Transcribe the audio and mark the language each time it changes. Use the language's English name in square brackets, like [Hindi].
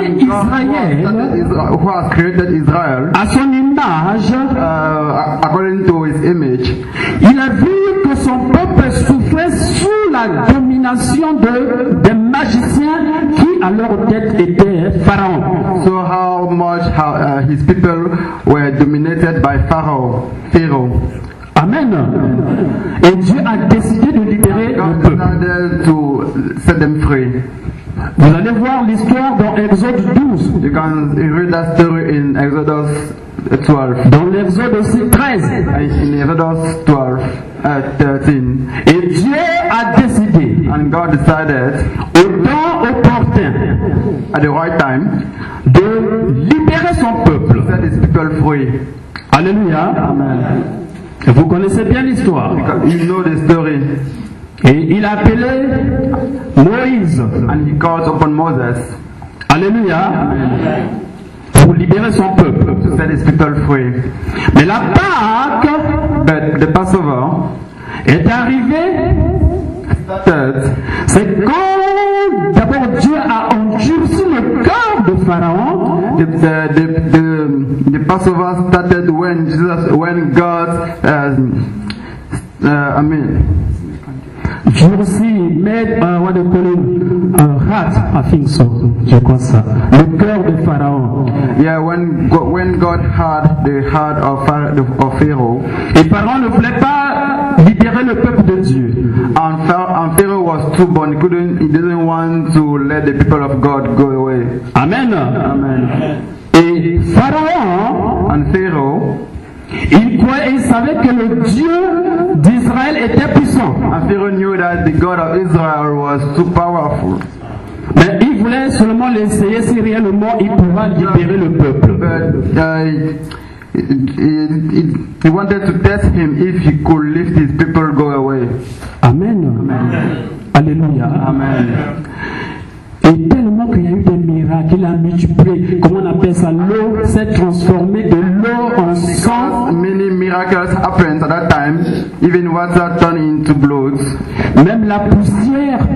[English] Israël, who has created Israel, [French] à son image, [English] according to his image, [French] il a vu que son peuple souffrait sous la domination des magiciens qui à leur tête étaient pharaons. [English] So how much his people were dominated by Pharaoh. Amen. [French] Et Dieu a décidé de libérer le peuple. [English] To set them free. [French] Vous allez voir l'histoire dans Exode 12. [English] You can read that story in Exodus 12. [French] Dans l'Exode aussi 13. [English] In Exodus 12, 13. [French] Et Dieu a décidé. [English] And God decided. [French] Au temps opportun. [English] At the right time. [French] De libérer son peuple. [English] Set his people free. Alléluia. Amen. [French] Vous connaissez bien l'histoire. [English] You know the story. [French] Et il a appelé Moïse. [English] And he called upon Moses. Alléluia. Amen. [French] Pour libérer son peuple. [English] To set his people free. [French] Mais la Pâque, [English] but the Passover, [French] est arrivée. [English] That, [French] c'est quand d'abord Dieu a endurci le cœur de Pharaon. [English] The Passover started when Jesus, when God, I mean. [French] Durci, mais [English] what do you call it? Heart, I think so. [French] Je crois ça. Le cœur de Pharaon. [English] Yeah, when God had the heart of Pharaoh. [French] Et Pharaon ne voulait pas libérer le peuple de Dieu. [English] And Pharaoh was too born. He didn't want to let the people of God go away. Amen. Amen. [French] Et Pharaon. [English] And Pharaoh. [French] Il croyait et savait que le Dieu d'Israël était puissant. [English] And Pharaoh knew that the God of Israel was too powerful. [French] Mais il voulait seulement l'essayer si réellement il pourra libérer le peuple. [English] He wanted to test him if he could lift his people go away. Amen. Amen. Alléluia. Amen. [French] Et tellement qu'il y a eu des miracles, il a multiplié, comment on appelle ça, l'eau s'est transformée de l'eau en sang. [English] Many miracles happened at that time, even water turned into blood. [French] Même la poussière.